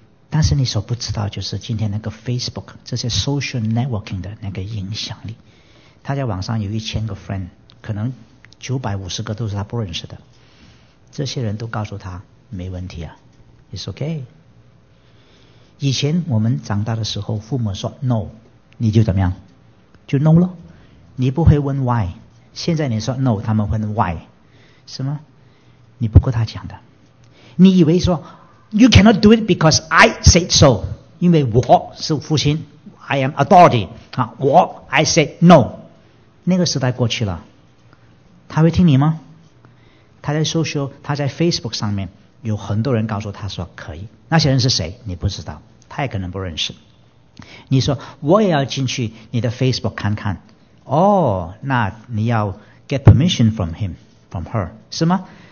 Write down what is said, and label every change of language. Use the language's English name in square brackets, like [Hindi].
[Chinese] 但是你所不知道就是今天那个 Facebook 这些 social networking 的那个影响力，他在网上有1000个 friend， 可能950个都是他不认识的，这些人都告诉他没问题啊。 [English] It's okay。 [Chinese] 以前我们长大的时候父母说 no， 你就怎么样就 no 了，你不会问 why。现在你说 no， 他们问 why， 是吗？你不跟他讲的，你以为说 [English] you cannot do it because I said so， [Chinese] 因为我是父亲， [English] I am authority， [Chinese] 我 [English] I said no。 [Chinese] 那个时代过去了，他会听你吗？他在 social， 他在 Facebook 上面有很多人告诉他说可以，那些人是谁你不知道，他也可能不认识。你说我也要进去你的 Facebook 看看，哦，那你要 [English] get permission from him from her [Chinese] 是吗？